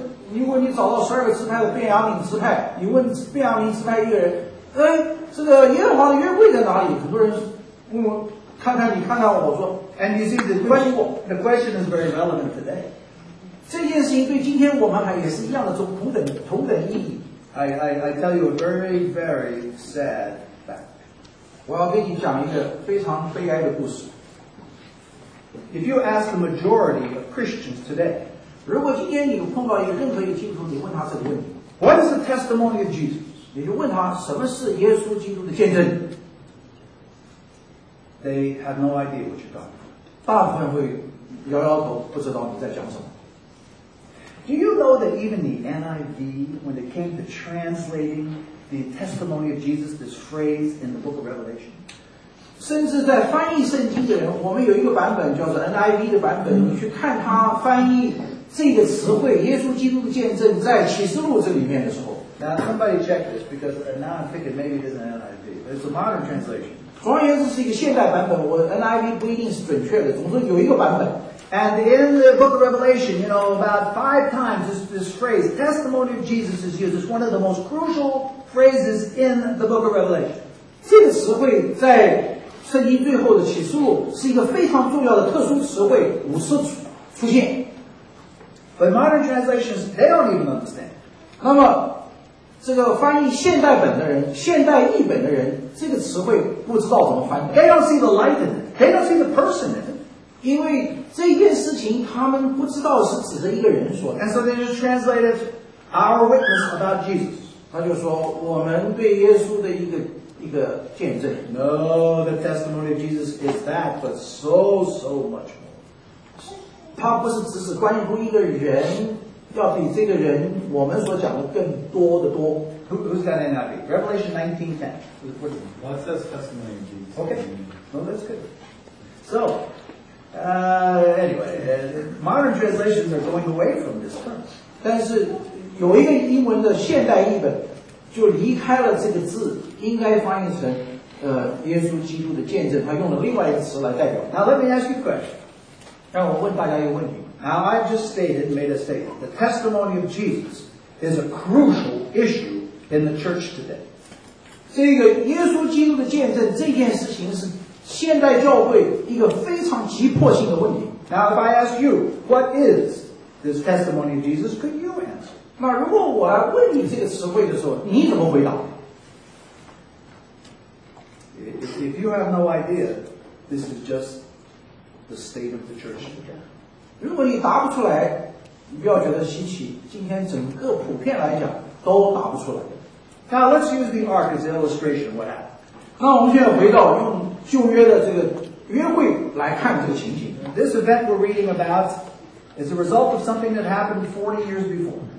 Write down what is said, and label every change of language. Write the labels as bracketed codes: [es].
[zh] 如果你找到十二个支派的便雅悯支派，你问便雅悯支派一个人，这个耶和华的约柜在哪里？很多人问我，看看你，看看我说。 [en] And you see, the question is very relevant today. [zh] 这件事情对今天我们还也是一样的，同等意义。 [en] I tell you a very, very sad fact. [zh] 我要跟你讲一个非常悲哀的故事。 [en] If you ask the majority of Christians today, [zh] 如果今天你碰到一个任何一个基督徒，你问他这个问题 [en] ，What is the testimony of Jesus？ [zh] 你就问他什么是耶稣基督的见证 [en] ？They have no idea what you're talking about. [zh] 大部分会摇摇头，不知道你在讲什么。 [en] Do you know that even the NIV, when it came to translating the testimony of Jesus, this phrase in the Book of Revelation? [zh] 甚至在翻译圣经的人，我们有一个版本叫做 NIV 的版本，你去看他翻译这个词汇“耶稣基督的见证”在启示录这里面的时候。 [en] Now somebody check this because now I'm thinking maybe it isn't NIV, but it's a modern translation. [zh] 总而言之是一个现代版本，我 NIV 不一定是准确的，总之有一个版本。 [en] And in the book of Revelation, you know, about five times this phrase, testimony of Jesus is used. It's one of the most crucial phrases in the book of Revelation. [zh] 这个词汇在圣经最后的启示录是一个非常重要的特殊词汇，五次出现。 [en] But modern translations, they don't even understand. [zh] 那么这个翻译现代本的人，现代译本的人，这个词汇不知道怎么翻译。 [en] They don't see the light in it. They don't see the person in it. [zh] 因为这件事情他们不知道是指着一个人说的。 [en] And so they just translated our witness about Jesus. [zh] 他就说我们对耶稣的一个见证。 [en] No, the testimony of Jesus is that, but so, so much more. [zh] 他不是只是关乎一个人，要比这个人我们所讲的更多的多。 [en] Who's got an NIV? Revelation 19:10. What's this testimony of Jesus? Okay. Well, that's good. So, anyway, modern translations are going away from this term. [zh] 但是有一个英文的现代译本就离开了这个字，应该翻译成耶稣基督的见证，他用了另外一个词来代表。 [en] Now let me ask you a question. [zh] 让我问大家一个问题。 [en] Now I've just stated, made a statement. The testimony of Jesus is a crucial issue in the church today. [zh] 这个耶稣基督的见证这件事情是现代教会一个非常急迫性的问题。 [en] Now if I ask you, what is this testimony of Jesus, could you answer? [zh] 那如果我来问你这个词汇的时候，你怎么回答？ [en] If you have no idea, this is just the state of the church today. [zh] 如果你答不出来，你不要觉得稀奇，今天整个普遍来讲都答不出来。 [en] Now let's use the ark as an illustration of what happened. [zh] 那我们现在回到用旧约的这个约柜来看这个情景。 [en] This event we're reading about is a result of something that happened 40 years before.